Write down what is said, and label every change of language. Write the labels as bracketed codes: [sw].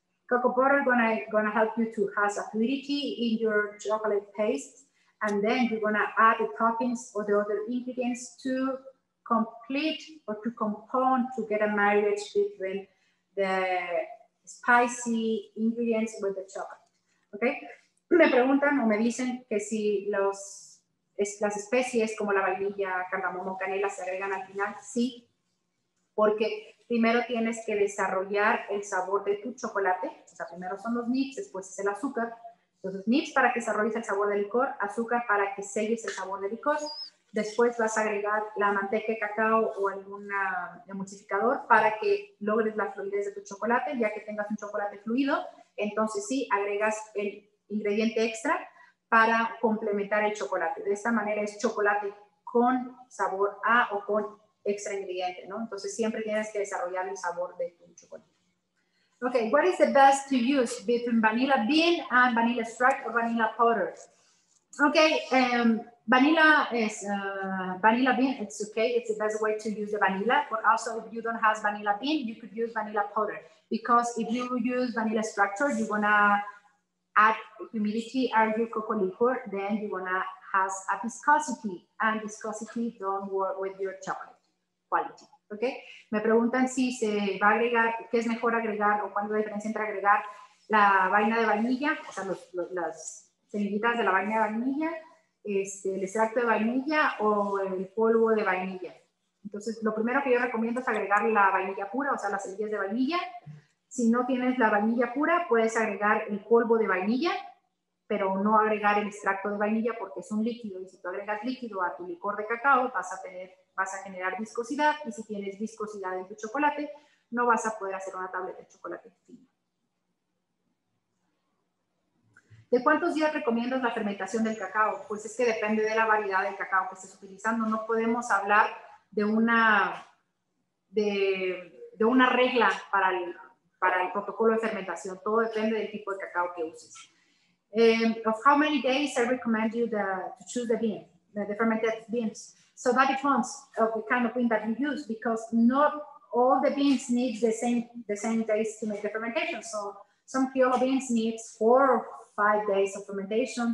[en] Cocoa butter gonna help you to have a fluidity in your chocolate paste. And then you're gonna add the toppings or the other ingredients to complete or to compound to get a marriage between the spicy ingredients with the chocolate, okay? [es] Me preguntan o me dicen que si las especies como la vainilla, cardamomo, canela se agregan al final. Sí, porque primero tienes que desarrollar el sabor de tu chocolate. O sea, primero son los nips, después es el azúcar. Entonces, nips para que desarrolles el sabor del licor, azúcar para que selles el sabor del licor. Después vas a agregar la manteca de cacao o algún emulsificador para que logres la fluidez de tu chocolate. Ya que tengas un chocolate fluido, entonces sí, agregas el ingrediente extra para complementar el chocolate. De esta manera es chocolate con sabor a o con extra ingrediente, ¿no? Entonces siempre tienes que desarrollar el sabor de tu chocolate. [en] Okay, what is the best to use between vanilla bean and vanilla extract or vanilla powder? Okay, vanilla bean, it's okay. It's the best way to use the vanilla. But also if you don't have vanilla bean, you could use vanilla powder. Because if you use vanilla extractor, you're gonna add humidity or your cocoa liquor, then you wanna have a viscosity, and viscosity don't work with your chocolate quality, okay? [es] Me preguntan si se va a agregar, qué es mejor agregar, o cuál es la diferencia entre agregar la vaina de vainilla, o sea, las semillitas de la vaina de vainilla, el extracto de vainilla o el polvo de vainilla. Entonces, lo primero que yo recomiendo es agregar la vainilla pura, o sea, las semillas de vainilla. Si no tienes la vainilla pura, puedes agregar el polvo de vainilla, pero no agregar el extracto de vainilla porque es un líquido. Y si tú agregas líquido a tu licor de cacao, vas a generar viscosidad. Y si tienes viscosidad en tu chocolate, no vas a poder hacer una tableta de chocolate fino. ¿De cuántos días recomiendas la fermentación del cacao? Pues es que depende de la variedad del cacao que estés utilizando. No podemos hablar de una regla para el protocolo de fermentación. Todo depende del tipo de cacao que uses. [en] Of how many days I recommend you to choose the bean, the fermented beans. So that depends of the kind of bean that you use, because not all the beans need the same days to make the fermentation. So some Criollo beans need 4 or 5 days of fermentation.